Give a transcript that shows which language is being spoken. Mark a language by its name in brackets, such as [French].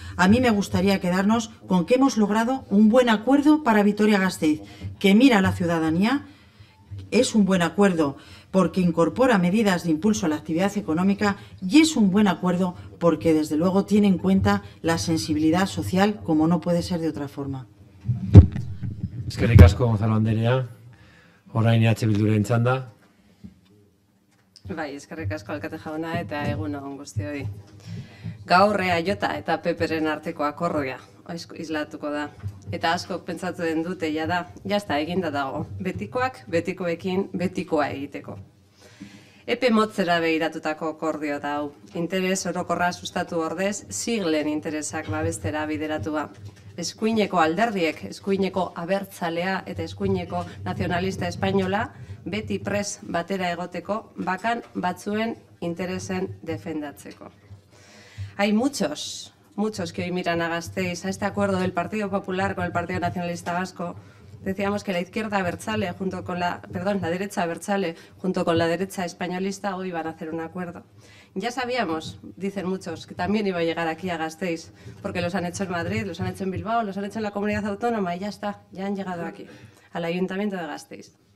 [Spanish] A mí me gustaría quedarnos con que hemos logrado un buen acuerdo para Vitoria-Gasteiz, que mira a la ciudadanía, es un buen acuerdo. porque incorpora medidas de impulso a la actividad económica y es un buen acuerdo porque, desde luego, tiene en cuenta la sensibilidad social como no puede ser de otra forma. [Basque] Eskerrik asko, Gonzalo Anderea. Orain EH Bilduren txanda. Bai, eskerrik asko, alkate jauna, eta egun on guztioi. Gaur EAJ eta PPren arteko akordioa islatuko da. Eta asko pentsatu den dute jada, jazta, eginda dago. Betikoak, betikoekin, betikoa egiteko. Epe motzera begiratutako akordio da hau. Interes orokorra sustatu ordez, siglen interesak babestera bideratua. Eskuineko alderdiek, eskuineko abertzalea eta eskuineko nazionalista espainola, beti pres batera egoteko, bakan batzuen interesen defendatzeko. [Spanish] Hay muchos que hoy miran a Gasteiz a este acuerdo del Partido Popular con el Partido Nacionalista Vasco. Decíamos que la derecha abertzale junto con la derecha españolista hoy iban a hacer un acuerdo. Ya sabíamos, dicen muchos, que también iba a llegar aquí a Gasteiz, porque los han hecho en Madrid, los han hecho en Bilbao, los han hecho en la Comunidad Autónoma y ya está, ya han llegado aquí, al Ayuntamiento de Gasteiz.